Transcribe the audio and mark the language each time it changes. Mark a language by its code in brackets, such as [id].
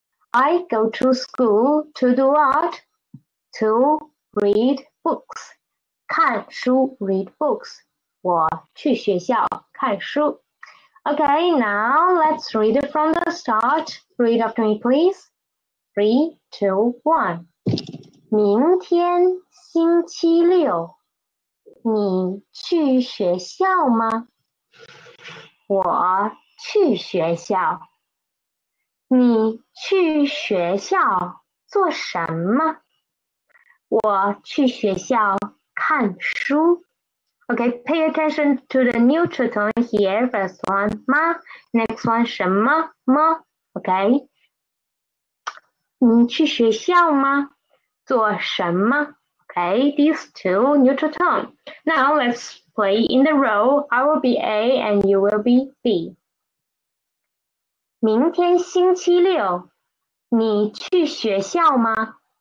[en] I go to school to do what? To read books. [zh] 看书 [en] read books. [zh] 我去学校看书。 [en] Okay, now let's read it from the start. Read after me, please. 3, 2, 1. [zh] 明天星期六，你去学校吗？我去学校。你去学校做什么？我去学校看书。 [en] Okay, pay attention to the neutral tone here. First one, 吗?Next one, 什么?吗?Okay. [zh] 你去学校吗? 做什么?Okay, [en] these two neutral tone. Now, let's play in the row. I will be A and you will be B. [zh] 明天星期六,你去学校吗?